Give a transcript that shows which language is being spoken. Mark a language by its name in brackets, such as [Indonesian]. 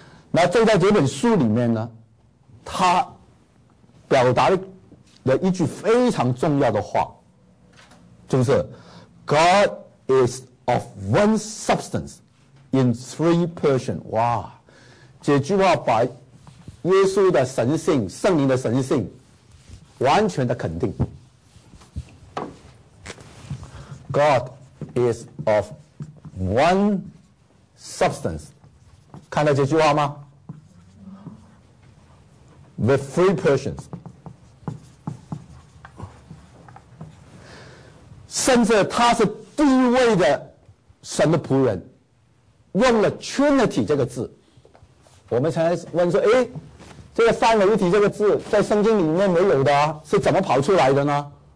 [Chinese] 那就在这本书里面呢，他表达了一句非常重要的话，就是 [English] God is of one substance in three persons。 [Chinese] 哇，这句话把耶稣的神性、圣灵的神性完全的肯定。 [English] God is of one substance， [Chinese] 看到这句话吗？ [English] With three persons， [Chinese] 甚至他是第一位的神的仆人，用了 Trinity 这个字。我们才问说，哎，这个三位一体这个字在圣经里面没有的、啊、是怎么跑出来的呢？